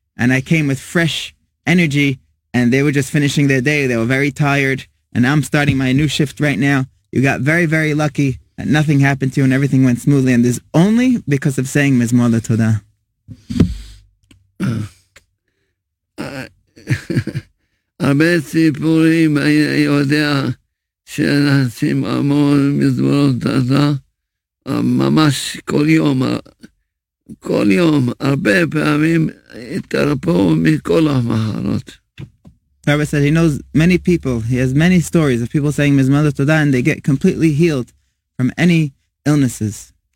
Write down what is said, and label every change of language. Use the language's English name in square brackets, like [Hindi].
[English] And I came with fresh energy and they were just finishing their day. They were very tired. And I'm starting my new shift right now. You got very, very lucky that nothing happened to you and everything went smoothly. And this is only because of saying Mizmor LeTodah. [Hebrew] הרבה סיפורים אני יודע שנעשים המון מזמורות תודה ממש כל יום הרבה פעמים התרפו מכל המחלות. [English] Rabbi said he knows many people, he has many stories of people saying מזמורות תודה and they get completely healed from any illnesses.